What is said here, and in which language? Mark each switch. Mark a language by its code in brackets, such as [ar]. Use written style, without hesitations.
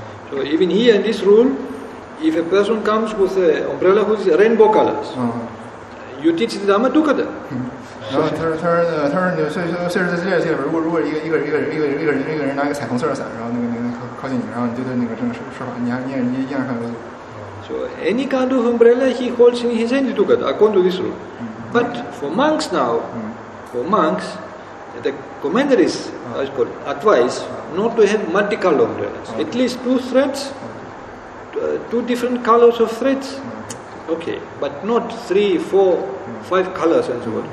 [en] So even here in this room, if a person comes with an umbrella with rainbow colors, you teach the Dhamma dukkata. [zh] 然后他说，所以在这里，如果一个人拿一个彩虹色的伞，然后那个靠近你，然后你就对那个这个说法，你还你也一样看不懂。 [en] So any kind of umbrella he holds in his hand together, according to this rule. But for monks now, for monks, the commentaries advise not to have multicolored umbrellas. At least two threads, two different colors of threads. Okay, but not three, four, five colors and so on.